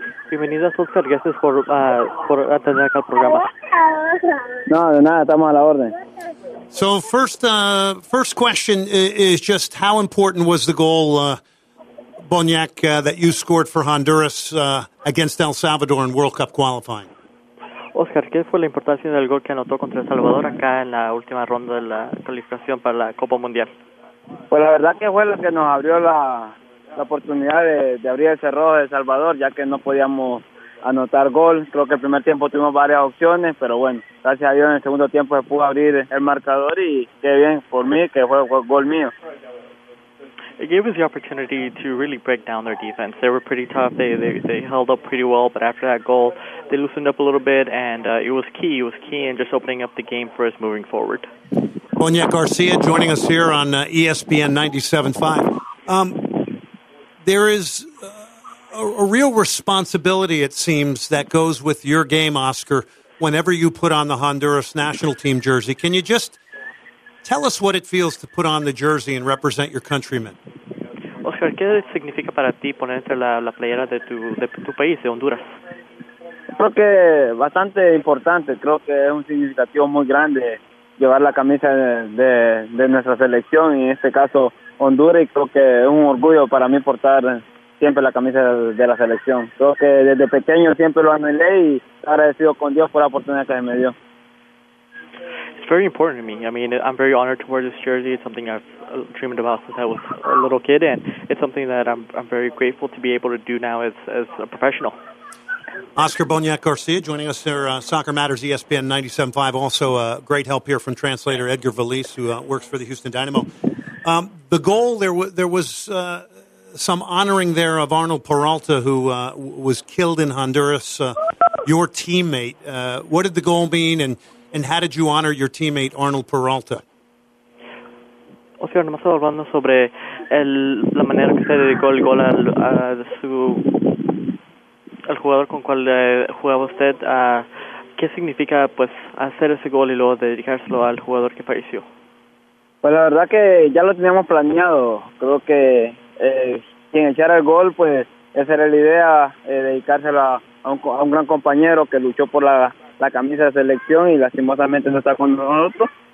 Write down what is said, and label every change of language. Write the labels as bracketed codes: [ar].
[es] Bienvenidos, Oscar. Gracias por atender acá al programa. No, de nada. Estamos a la orden. [en] So first question is just how important was the goal, Boniac, that you scored for Honduras against El Salvador in World Cup qualifying? [es] Oscar, ¿qué fue la importancia del gol que anotó contra El Salvador acá en la última ronda de la calificación para la Copa Mundial? Pues la verdad que fue lo que nos abrió la oportunidad de abrir el cerrojo de El Salvador, ya que no podíamos anotar gol. Creo que el primer tiempo tuvimos varias opciones, pero bueno, gracias a Dios en el segundo tiempo se pudo abrir el marcador y qué bien por mí, que fue gol mío. [en] It gave us the opportunity to really break down their defense. They were pretty tough. They held up pretty well, but after that goal, they loosened up a little bit, and it was key. It was key in just opening up the game for us moving forward. Boniac Garcia joining us here on ESPN 97.5. There is a real responsibility, it seems, that goes with your game, Oscar, whenever you put on the Honduras national team jersey. Can you just tell us what it feels to put on the jersey and represent your countrymen? [es] Oscar, ¿qué significa para ti ponerte la playera de tu país, de Honduras? Creo que bastante importante. Creo que es un significativo muy grande llevar la camisa de nuestra selección, y en este caso Honduras, y creo que es un orgullo para mí portar siempre la camisa de la selección. Creo que desde pequeño siempre lo anhelé y agradecido con Dios por la oportunidad que me dio. [en] Very important to me. I mean, I'm very honored to wear this jersey. It's something I've dreamed about since I was a little kid, and it's something that I'm very grateful to be able to do now as a professional. Oscar Boniac Garcia joining us here, Soccer Matters, ESPN 97.5. Also, a great help here from translator Edgar Velez, who works for the Houston Dynamo. The goal, there was some honoring there of Arnold Peralta, who was killed in Honduras, your teammate. What did the goal mean, and how did you honor your teammate Arnold Peralta? [es] Oscar, nomás hablando sobre la manera que se dedicó el gol al jugador con cual jugaba usted. ¿Qué significa pues hacer ese gol y luego dedicárselo al jugador que falleció? Pues la verdad que ya lo teníamos planeado. Creo que quien echara el gol, pues esa era la idea, dedicárselo a un gran compañero que luchó por la camisa de selección y lastimosamente no está con nosotros.